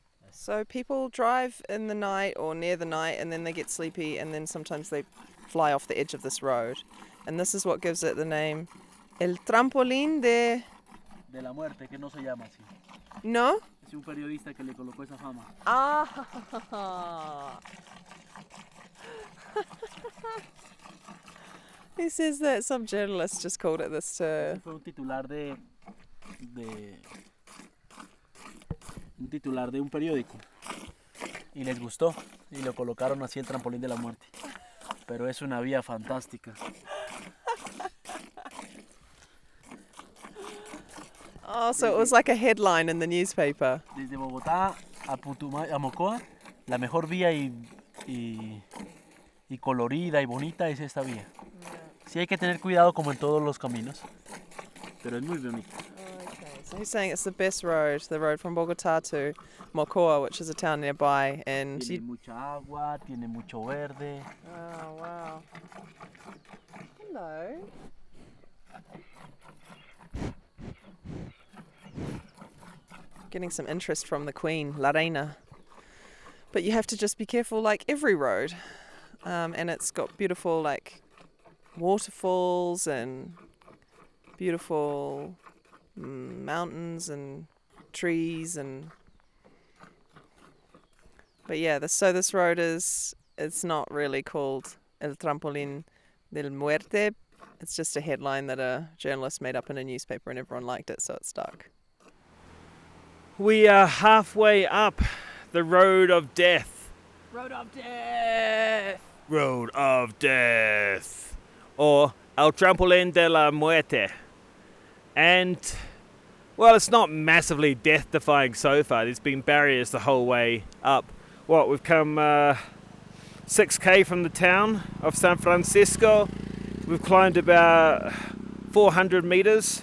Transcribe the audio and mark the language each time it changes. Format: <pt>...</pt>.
<en>So people drive in the night or near the night and then they get sleepy and then sometimes they fly off the edge of this road. And this is what gives it the name El Trampolín</en> <es>de la Muerte, que no se llama así. No? Es un periodista que le colocó esa fama. Ah.</es> <en>He says that some journalist just called it this too.</en> <es>Fue un titular de un titular de un periódico y les gustó y lo colocaron así el trampolín de la muerte. Pero es una vía fantástica.</es> <en>Oh, so it was like a headline in the newspaper.</en> <es>Desde Bogotá a Putumayo, a Mocoa, la mejor vía y colorida y bonita es esta vía. Sí, hay que tener cuidado como en todos los caminos, pero es muy bonito.</es> <en>Okay, so he's saying it's the best road, the road from Bogotá to Mocoa, which is a town nearby, and</en> <es>tiene mucha agua, tiene mucho verde.</es> <en>Oh, wow. Hello. Getting some interest from the queen, La Reina. But you have to just be careful, like every road, and it's got beautiful, like, waterfalls and beautiful mountains and trees and but yeah, this road is it's not really called El Trampolín del Muerte. It's just a headline that a journalist made up in a newspaper and everyone liked it, so it stuck. We are halfway up the Road of Death. Road of Death. Road of Death. Or El Trampolín de la Muerte. And, well, it's not massively death-defying so far. There's been barriers the whole way up. What, we've come 6K from the town of San Francisco. We've climbed about 400 meters.</en>